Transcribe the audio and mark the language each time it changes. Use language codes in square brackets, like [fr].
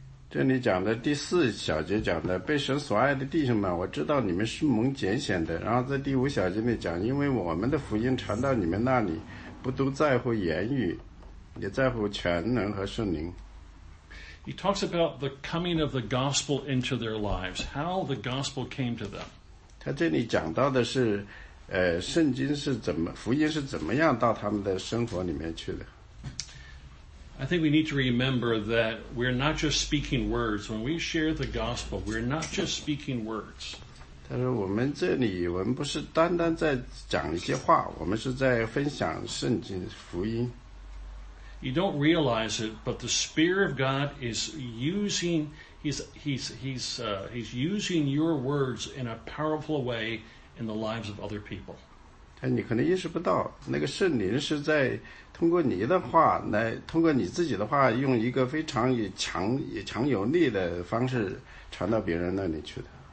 [zh] 这里讲的第四小节讲的，被神所爱的弟兄们，我知道你们是蒙拣选的。然后在第五小节里讲，因为我们的福音传到你们那里，不都在乎言语，也在乎全能和圣灵。 [en] He talks about the coming of the gospel into their lives, how the gospel came to them. [zh] 他这里讲到的是，圣经是怎么，福音是怎么样到他们的生活里面去的。 [en] I think we need to remember that we're not just speaking words. When we share the gospel, we're not just speaking words. [zh] 他说我们这里，我们不是单单在讲一些话，我们是在分享圣经福音。 [en] You don't realize it, but the Spirit of God is using, he's using your words in a powerful way in the lives of other people. [zh] 你可能意识不到，那个圣灵是在通过你的话来，通过你自己的话，用一个非常强有力的方式传到别人那里去的。